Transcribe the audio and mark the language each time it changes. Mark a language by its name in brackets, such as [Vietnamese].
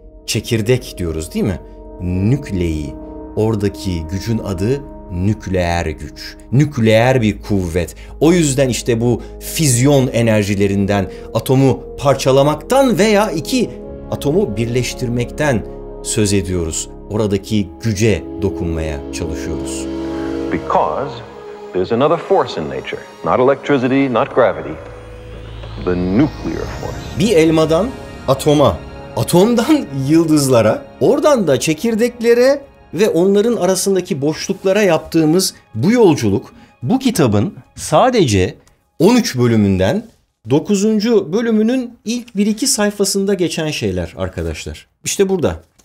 [Turkish] Çekirdek diyoruz değil mi? Nükleyi. Oradaki gücün adı nükleer güç. Nükleer bir kuvvet. O yüzden işte bu füzyon enerjilerinden, atomu parçalamaktan veya iki atomu birleştirmekten söz ediyoruz. Oradaki güce dokunmaya çalışıyoruz. [English] Because there's another force in nature, not electricity, not gravity, the nuclear force. [Turkish] Bir elmadan atoma, atomdan yıldızlara, oradan da çekirdeklere ve onların arasındaki boşluklara yaptığımız bu yolculuk, bu kitabın sadece 13 bölümünden 9. bölümünün ilk 1-2 sayfasında geçen şeyler arkadaşlar. İşte burada.